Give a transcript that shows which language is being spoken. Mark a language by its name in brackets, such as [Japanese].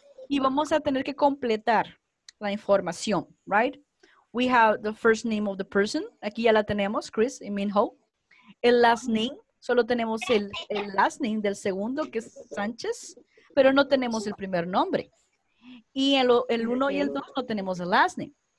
[Spanish] Y vamos a tener que completar la información, right? [English] We have the first name of the person. [Spanish] Aquí ya la tenemos, Chris y Minho. El last name. Solo tenemos el last name del segundo, que es Sánchez. Pero no tenemos el primer nombre. Y el uno y el dos no tenemos el last name.